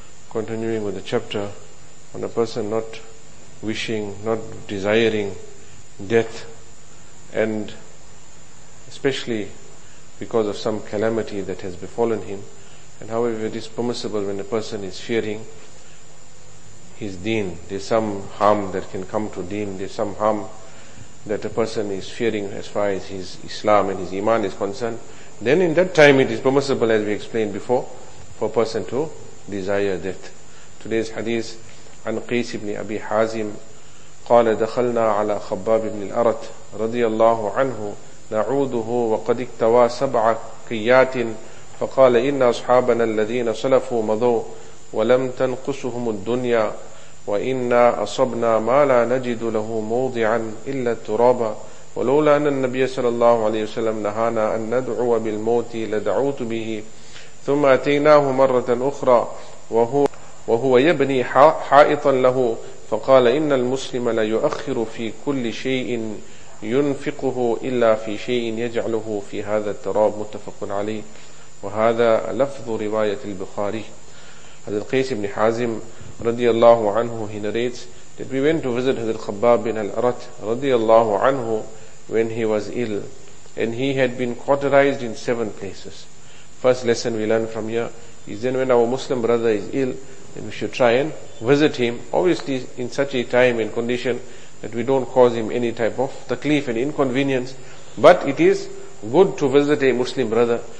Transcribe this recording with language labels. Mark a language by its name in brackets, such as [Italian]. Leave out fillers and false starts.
[English] Continuing with the chapter on a person not wishing, not desiring death, and especially because of some calamity that has befallen him, and however it is permissible when a person is fearing his deen, there's some harm that can come to deen, there's some harm that a person is fearing as far as his Islam and his Iman is concerned, then in that time it is permissible, as we explained before, for a person to desire death. Today's hadith, [Arabic] عن قيس بن أبي حازم قال دخلنا على خباب بن الأرت رضي الله عنه نعوده وقد اكتوى سبع كيات فقال إن أصحابنا الذين سلفوا مضوا ولم تنقصهم الدنيا وإنا أصبنا ما لا نجد له موضعا إلا ترابا ولولا أن النبي صلى الله عليه وسلم نهانا أن ندعو بالموت لدعوت به ثم أتيناه مرة أخرى وهو يبني حائطا له فقال إن المسلم لا يؤخر في كل شيء ينفقه إلا في شيء يجعله في هذا التراب متفق عليه وهذا لفظ رواية البخاري. [English] Hazrat Qais ibn Hazim radiyallahu anhu, he narrates that we went to visit Hazrat Khabbab bin al-Arat radiyallahu anhu when he was ill, and he had been cauterized in 7 places. First lesson we learn from here is then when our Muslim brother is ill, then we should try and visit him, obviously in such a time and condition that we don't cause him any type of taklif and inconvenience, but it is good to visit a Muslim brother.